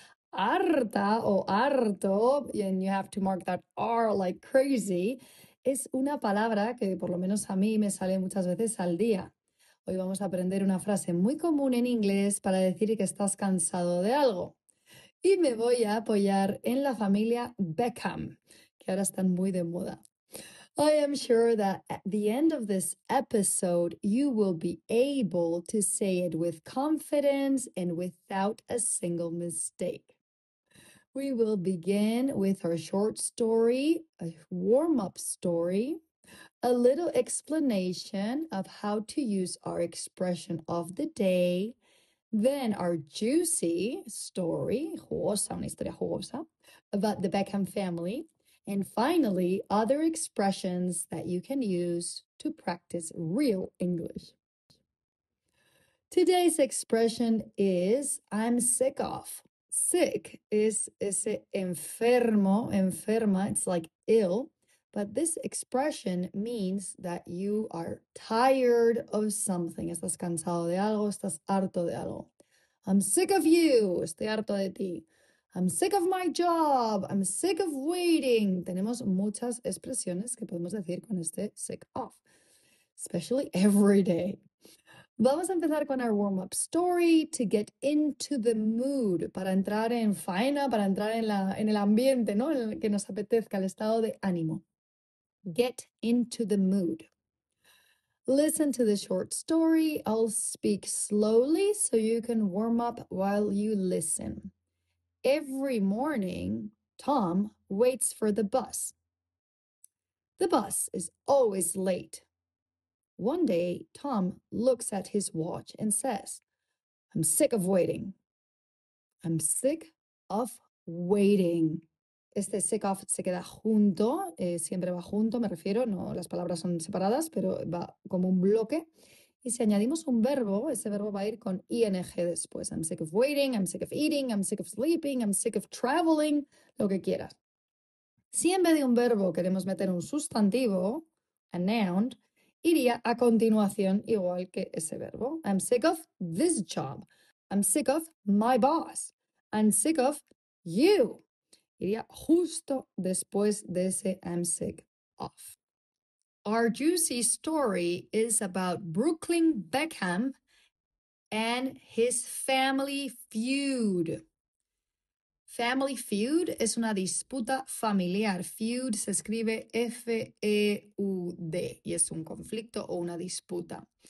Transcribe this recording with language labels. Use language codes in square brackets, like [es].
[es] Harta o harto, [en] and you have to mark that R like crazy, [es] es una palabra que por lo menos a mí me sale muchas veces al día. Hoy vamos a aprender una frase muy común en inglés para decir que estás cansado de algo. Y me voy a apoyar en la familia Beckham, que ahora están muy de moda. [en] I am sure that at the end of this episode, you will be able to say it with confidence and without a single mistake. We will begin with our short story, a warm-up story. A little explanation of how to use our expression of the day, then our juicy story, [es] jugosa, una historia jugosa, [en] about the Beckham family, and finally, other expressions that you can use to practice real English. Today's expression is I'm sick of. [es] Sick es ese enfermo, enferma, [en] it's like ill. But this expression means that you are tired of something. [es] Estás cansado de algo, estás harto de algo. [en] I'm sick of you. [es] Estoy harto de ti. [en] I'm sick of my job. I'm sick of waiting. [es] Tenemos muchas expresiones que podemos decir con este sick of, [en] especially every day. [es] Vamos a empezar con [en] our warm-up story to get into the mood, [es] para entrar en faena, para entrar en el ambiente, ¿no? En el que nos apetezca, el estado de ánimo. [en] Get into the mood. Listen to the short story. I'll speak slowly so you can warm up while you listen. Every morning, Tom waits for the bus. The bus is always late. One day, Tom looks at his watch and says, I'm sick of waiting. I'm sick of waiting. [es] Este sick of se queda junto, siempre va junto, me refiero, no las palabras son separadas, pero va como un bloque. Y si añadimos un verbo, ese verbo va a ir con ing después. [en] I'm sick of waiting, I'm sick of eating, I'm sick of sleeping, I'm sick of traveling, [es] lo que quieras. Si en vez de un verbo queremos meter un sustantivo, [en] a noun, [es] iría a continuación igual que ese verbo. [en] I'm sick of this job. I'm sick of my boss. I'm sick of you. [es] Iría justo después de ese I'm sick of. [en] Our juicy story is about Brooklyn Beckham and his family feud. [es] Family feud es una disputa familiar. Feud se escribe Feud y es un conflicto o una disputa.